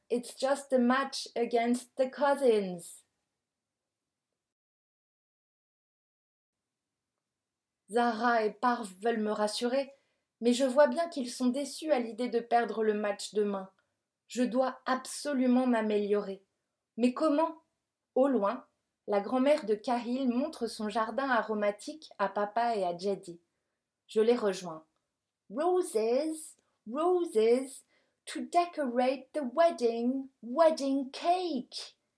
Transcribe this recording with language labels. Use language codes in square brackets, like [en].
[en] It's just a match against the cousins. [fr] Zara et Parv veulent me rassurer, mais je vois bien qu'ils sont déçus à l'idée de perdre le match demain. Je dois absolument m'améliorer. Mais comment? Au loin, la grand-mère de Cahil montre son jardin aromatique à papa et à Jaddy. Je les rejoins. [en] Roses, roses, to decorate the wedding cake.